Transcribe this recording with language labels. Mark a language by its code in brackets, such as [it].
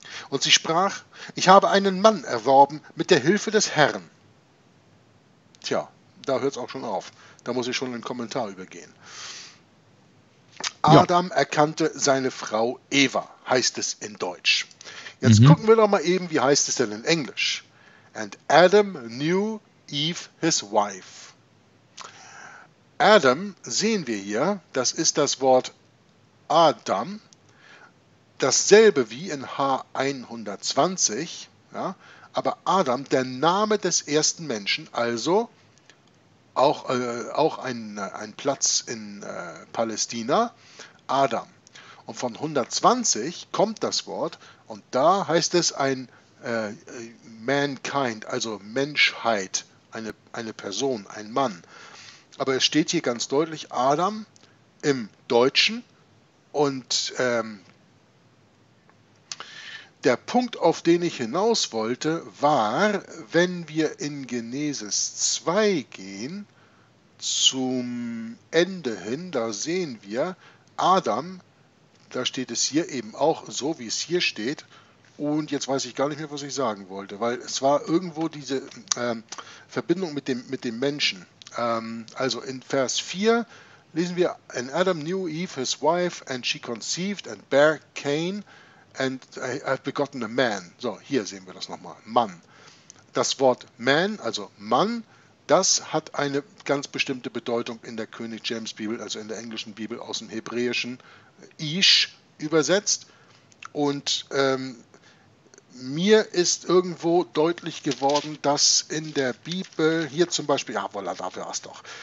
[de] Und sie sprach, ich habe einen Mann erworben mit der Hilfe des Herrn. Tja, da hört es auch schon auf. Da muss ich schon in den Kommentar übergehen. Adam erkannte seine Frau Eva, heißt es in Deutsch. Jetzt gucken wir doch mal eben, wie heißt es denn in Englisch? [en] And Adam knew Eve, his wife. [de] Adam, sehen wir hier, das ist das Wort Adam, dasselbe wie in H120, ja, aber Adam, der Name des ersten Menschen, also auch ein Platz in Palästina, Adam. Und von 120 kommt das Wort und da heißt es ein Mankind, also Menschheit, eine Person, ein Mann. Aber es steht hier ganz deutlich Adam im Deutschen und der Punkt, auf den ich hinaus wollte, war, wenn wir in Genesis 2 gehen, zum Ende hin, da sehen wir Adam, da steht es hier eben auch so, wie es hier steht. Und jetzt weiß ich gar nicht mehr, was ich sagen wollte, weil es war irgendwo diese Verbindung mit dem Menschen. Also in Vers 4 lesen wir, [en] and Adam knew Eve, his wife, and she conceived and bare Cain, and I've begotten a man. [de] So, hier sehen wir das nochmal, Mann. Das Wort man, also Mann, das hat eine ganz bestimmte Bedeutung in der König-James-Bibel, also in der englischen Bibel aus dem Hebräischen, Ish, übersetzt. Und mir ist irgendwo deutlich geworden, dass in der Bibel, hier zum Beispiel, ja, voilà, dafür hast du doch.